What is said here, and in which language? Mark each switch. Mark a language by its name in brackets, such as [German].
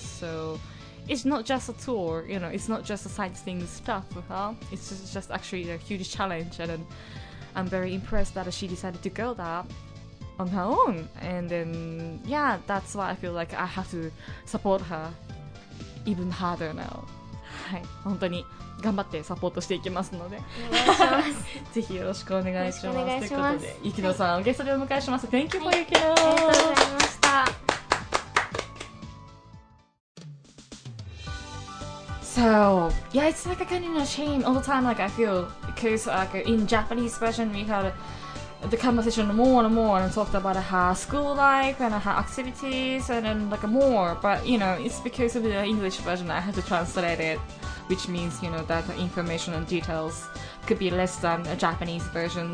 [English] So it's not just a tour, you know, it's not just a sightseeing stuff for her. It's just actually a huge challenge. And I'm very impressed that she decided to go that. On her own. And then, yeah, that's why I feel like I have to support her even harder now. [Japanese] はい、本当に頑張ってサポートしていきますので、お願いします。ぜひよろしくお願いします。よろしくお願いします。ということで、ゆきのさん、はい、ゲストでお迎えします。 [English] Thank you for、は [Japanese] い、ゆきの、ありがとうございました。 [English] So, yeah, it's like a kind of a shame all the time, like, I feel, because, like, in Japanese version we havethe conversation more and more, and talked about her school life and her activities and then, like, more. But, you know, it's because of the English version I had to translate it, which means, you know, that the information and details could be less than a Japanese version.